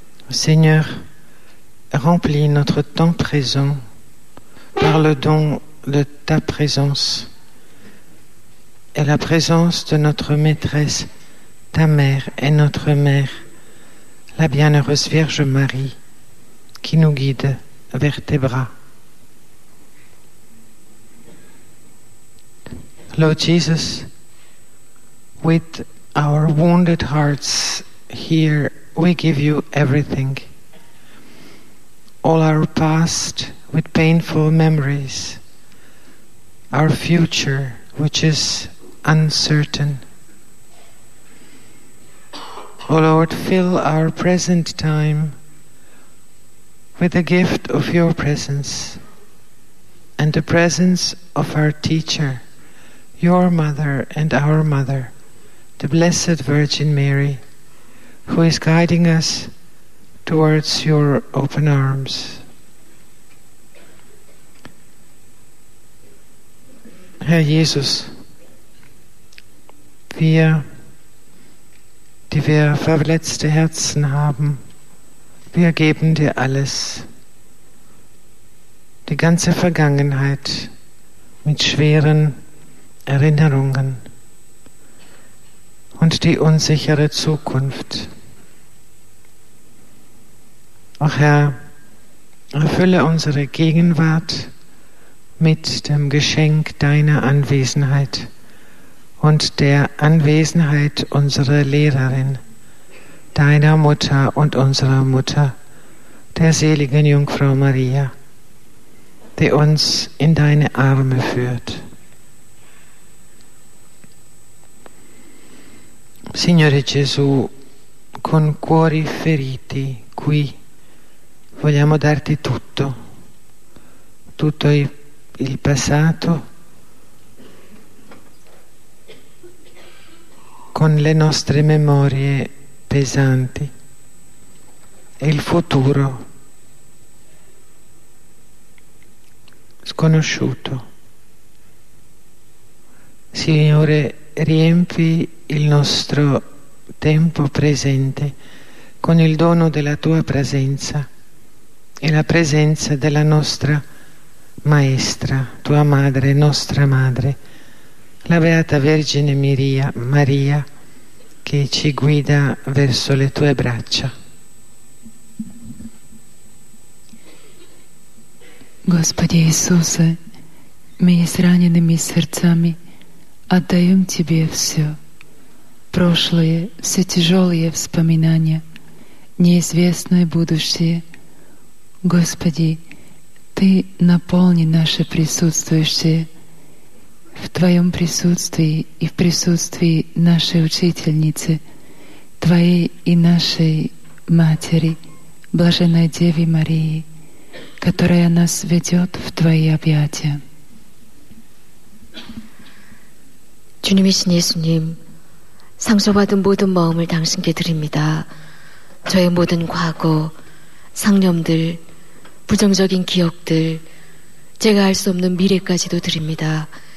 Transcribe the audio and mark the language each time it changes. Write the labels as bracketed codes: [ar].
[fr] Seigneur, remplis notre temps présent par le don de ta présence et la présence de notre maîtresse, ta mère et notre mère, la bienheureuse Vierge Marie, qui nous guide vers tes bras. [en] Lord Jesus, with our wounded hearts here, we give you everything. All our past with painful memories, our future which is uncertain. O Lord, fill our present time with the gift of your presence and the presence of our teacher, your mother and our mother, the Blessed Virgin Mary, who is guiding us towards your open arms. [de] Herr Jesus, wir, die wir verletzte Herzen haben, wir geben dir alles, die ganze Vergangenheit mit schweren Erinnerungen und die unsichere Zukunft. Ach Herr, erfülle unsere Gegenwart mit dem Geschenk deiner Anwesenheit und der Anwesenheit unserer Lehrerin, deiner Mutter und unserer Mutter, der seligen Jungfrau Maria, die uns in deine Arme führt. [it] Signore Gesù, con cuori feriti qui vogliamo darti tutto, tutto il passato, con le nostre memorie pesanti e il futuro sconosciuto. Signore, riempi il nostro tempo presente con il dono della tua presenza e la presenza della nostra maestra, tua madre, nostra madre, la Beata Vergine Maria, che ci guida verso le tue braccia. [ru] Господи Иисусе, мы с ранеными сердцами отдаем Тебе все. Прошлое, все тяжелые вспоминания, неизвестное будущее. Господи, Ты наполни наше присутствующее в Твоем присутствии и в присутствии нашей Учительницы, Твоей и нашей Матери, Блаженной Девы Марии, которая нас ведет в Твои объятия. [ko] 주님이신 예수님, 상소받은 모든 마음을 당신께 드립니다. 저의 모든 과거, 상념들, 부정적인 기억들, 제가 알 수 없는 미래까지도 드립니다.